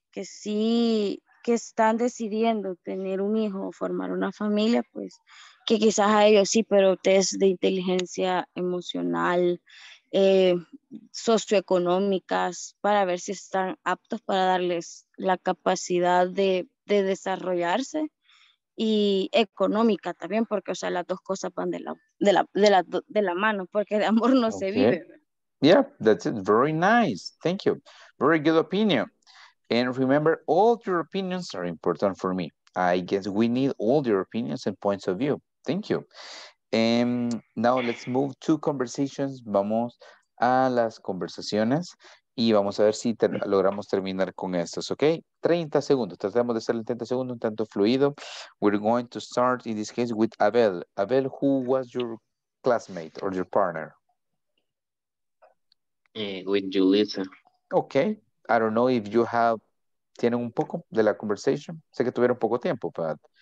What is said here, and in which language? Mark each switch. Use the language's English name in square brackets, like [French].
[Spanish] Que sí, que están decidiendo tener un hijo o formar una familia, pues que quizás a ellos sí, pero test de inteligencia emocional, socioeconómicas, para ver si están aptos para darles la capacidad de desarrollarse y económica también, porque, o sea, las dos cosas van de la mano, porque de amor no se vive. [English] Yeah, that's it. Very nice. Thank you. Very good opinion. And remember, all your opinions are important for me. I guess we need all your opinions and points of view. Thank you. And now let's move to conversations. [Spanish] Vamos a las conversaciones y vamos a ver si logramos terminar con estas, ¿ok? 30 segundos. Tratemos de hacer el 30 segundos un tanto fluido. [English] We're going to start in this case with Abel. Abel, who was your classmate or your partner? With Julissa. Okay. I don't know if you have... [Spanish] ¿Tienen un poco de la [English] conversation? [Spanish] Sé que tuvieron poco tiempo, but...